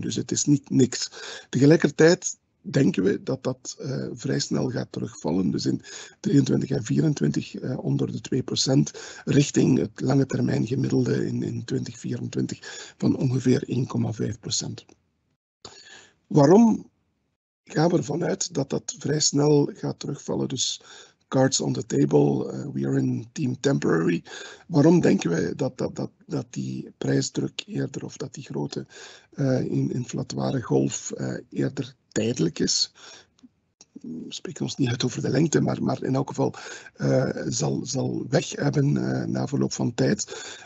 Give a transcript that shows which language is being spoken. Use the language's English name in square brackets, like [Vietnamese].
[Dutch] Dus het is niet niks. Tegelijkertijd denken we dat vrij snel gaat terugvallen. Dus in 2023 en 2024 onder de 2% richting het lange termijn gemiddelde in 2024 van ongeveer 1,5%. Waarom gaan we ervan uit dat vrij snel gaat terugvallen? Dus [English] cards on the table, we are in team temporary. [Dutch] Waarom denken wij dat die prijsdruk eerder, of dat die grote inflatoire golf eerder tijdelijk is? we spreken ons niet uit over de lengte, maar in elk geval zal weg hebben na verloop van tijd.